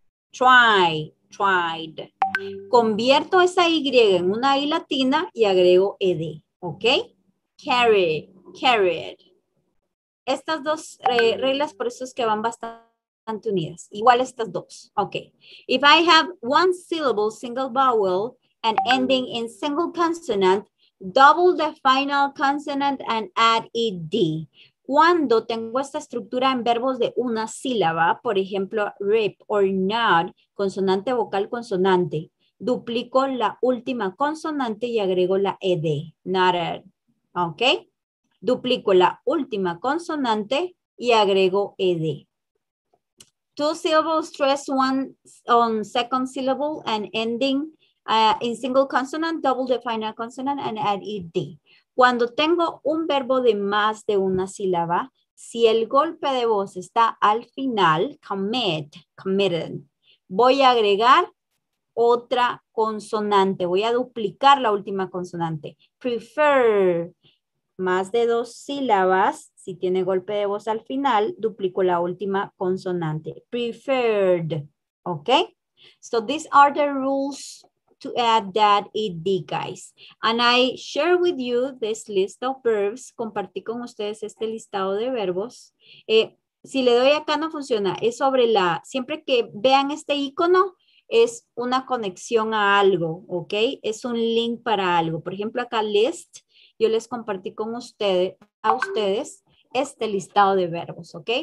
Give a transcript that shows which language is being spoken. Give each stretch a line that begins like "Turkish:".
Spanish: Try, tried. Convierto esa Y en una I latina y agrego ED, ¿ok? Carry, carried. Estas dos reglas, por eso es que van bastante unidas. Igual estas dos, ¿ok?
English: If I have one syllable, single vowel, and ending in single consonant, double the final consonant and add ED.
Spanish: Cuando tengo esta estructura en verbos de una sílaba, por ejemplo, rip or not, consonante, vocal, consonante, duplico la última consonante y agrego la ed, nodded, ¿ok? Duplico la última consonante y agrego ed.
English: Two syllables stress one on second syllable and ending in single consonant, double the final consonant and add ed.
Spanish: Cuando tengo un verbo de más de una sílaba, si el golpe de voz está al final, commit, committed, voy a agregar otra consonante. Voy a duplicar la última consonante. Prefer, más de dos sílabas, si tiene golpe de voz al final, duplico la última consonante. Preferred, ¿ok?
English: So these are the rules to add that ed, guys. And I share with you this list of verbs.
Spanish: Compartí con ustedes este listado de verbos. Si le doy acá, no funciona. Es sobre la, siempre que vean este icono, es una conexión a algo, ¿ok? Es un link para algo. Por ejemplo, acá list, yo les compartí con ustedes, a ustedes, este listado de verbos, ¿ok?